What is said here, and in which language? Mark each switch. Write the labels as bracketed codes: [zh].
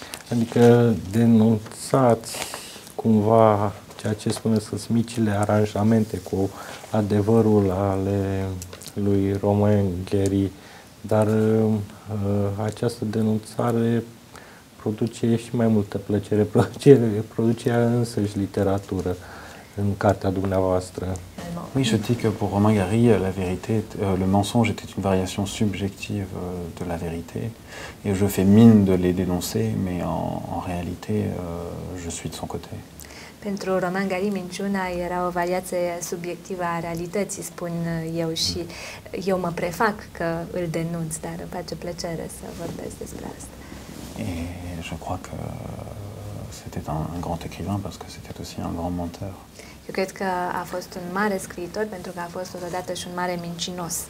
[ro] Adică denunțați cumva ceea ce spune sunt micile aranjamente cu adevărul ale lui Romain Gary, dar această denunțare produce și mai multă plăcere, produce însăși literatură în cartea dumneavoastră. [fr] Oui, je dis que pour Romain Gary, la vérité, le mensonge était une variation subjective de la vérité. Et je fais mine de les dénoncer, mais en réalité, je suis de son côté. [ro] Pentru Romain Gary, minciuna era o variație subiectivă a realității, spun eu, și eu mă prefac că îl denunț, dar îmi face plăcere să vorbesc despre asta. [fr] Et je crois que c'était un grand écrivain parce que c'était aussi un grand menteur. [ro] Eu cred că a fost un mare scriitor pentru că a fost odată și un mare mincinos.